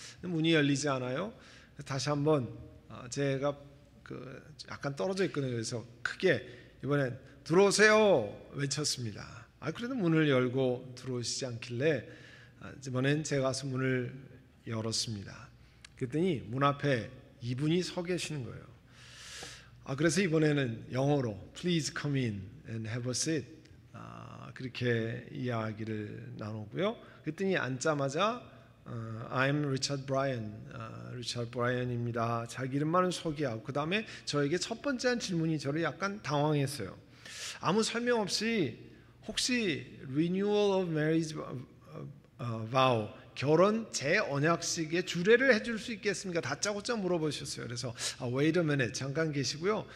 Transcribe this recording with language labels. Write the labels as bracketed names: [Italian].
[Korean] 문이 열리지 않아요. 다시 한번 제가 약간 떨어져 있거든요. 그래서 크게 이번엔 들어오세요 외쳤습니다. 그래도 문을 열고 들어오시지 않길래 이번엔 제가 와서 문을 열었습니다. 그랬더니 문 앞에 이분이 서 계시는 거예요. 그래서 이번에는 영어로 [English] Please come in and have a seat [Korean] 그렇게 이야기를 나누고요. 그랬더니 앉자마자 [English] I'm Richard Bryan, [Korean] Richard Bryan입니다. 자기 이름만은 소개하고 그 다음에 저에게 첫 번째 한 질문이 저를 약간 당황했어요. 아무 설명 없이 혹시 [English] Renewal of Marriage Vow [Korean] 결혼 재언약식에 주례를 해줄 수 있겠습니까? 다짜고짜 물어보셨어요. 그래서 [English] wait a minute [Korean] 잠깐 계시고요.